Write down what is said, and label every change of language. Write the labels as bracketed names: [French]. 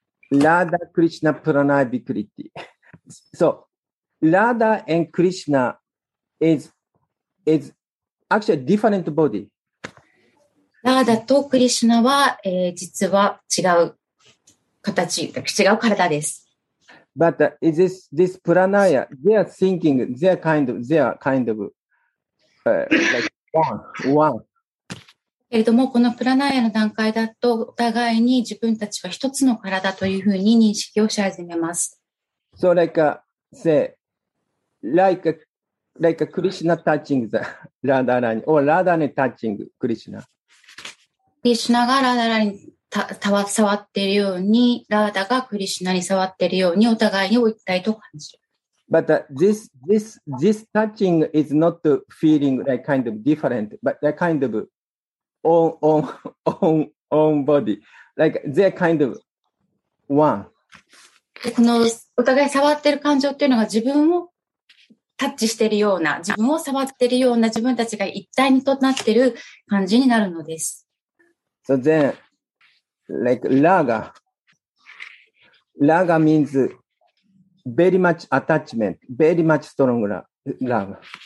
[English] ラーダ、クリシュナ、プラナーヤ、ビクリティ。So, ラーダ and クリシュナ is is actually a different body. [Japanese] ラーダとクリシュナは、実は違う形、違う体です。 [English] But is this, this pranaya, they are thinking, they are kind of、like one, one. [Japanese] けれども、このプラナヤの段階だと、お互いに自分たちは一つの体というふうに認識をし始めます。 [English] So like, say, like Krishna touching the Radharani, or Radharani touching Krishna. [Japanese] クリシュナがラダラに触っているようにラダがクリシュナに触っているようにお互いに置きたいと感じる。 [English] But this touching is not feeling like kind of different, but they're kind of own body, like they're kind of one. [Japanese] このお互い触っている感情っていうのが自分をタッチしているような自分を触っているような自分たちが一体にとなっている感じになるのです。 [English] So then, like Raga means very much attachment, very much strong Raga.